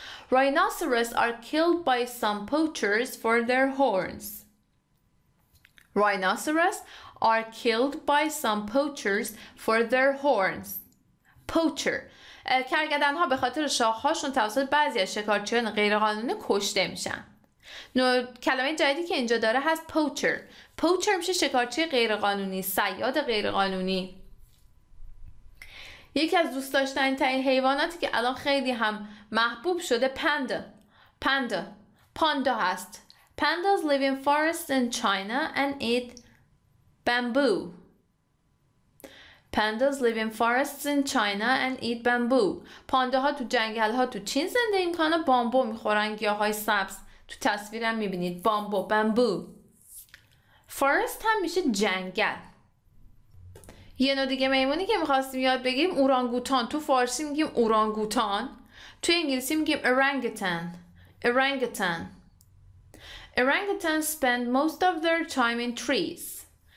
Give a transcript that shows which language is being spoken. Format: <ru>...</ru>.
<en>Rhinoceros are killed by some poachers for their horns. Rhinoceros are killed by some poachers for their horns. Poacher.</en> <fa>کرگدن ها به خاطر شاخ هاشون توسط بعضی از شکارچیان غیرقانونی کشته میشن. کلمه جدیدی که اینجا داره هست poacher. Poacher میشه شکارچی غیرقانونی، صیاد غیرقانونی. یکی از دوست داشتنی ترین حیواناتی که الان خیلی هم محبوب شده پاندا. پاندا. پاندا هست.</fa> <en>Pandas live in forests in China and eat bamboo. Pandas live in forests in China and eat bamboo.</en> <fa>پانداها تو جنگل‌ها تو چین زندگی می‌کنن، بامبو می‌خورن، گیاه‌های سبز. تو تصویرم می‌بینید بامبو، بامبو. Forest هم میشه جنگل. یه نوع دیگه میمونی که میخواستیم یاد بگیم اورانگوتان. تو فارسی میگیم اورانگوتان. تو انگلیسی میگیم ارانگوتان. ارانگوتان.</fa> <en>Orangutans spend most of their time in trees.</en>